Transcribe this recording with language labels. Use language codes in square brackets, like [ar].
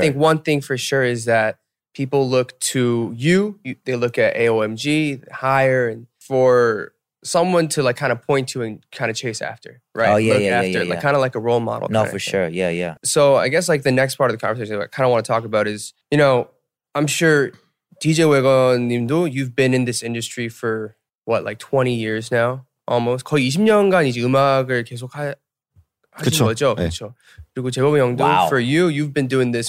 [en] I think one thing for sure is that people look to you, they look at AOMG, Hire, and for someone to like kind of point to and kind of chase after, right? Oh, yeah, look after, like kind of like a role model. No, for sure. Yeah, yeah. So I guess like the next part of the conversation that I kind of want to talk about is, you know, I'm sure. DJ Wegeon님도, you've been in this industry for what, like 20 years now, almost. [ko] 거의 20년간 이제 음악을 계속 하신 거죠. 네. 그렇죠. 그리고 재범이 형도, [en] for you, you've been doing this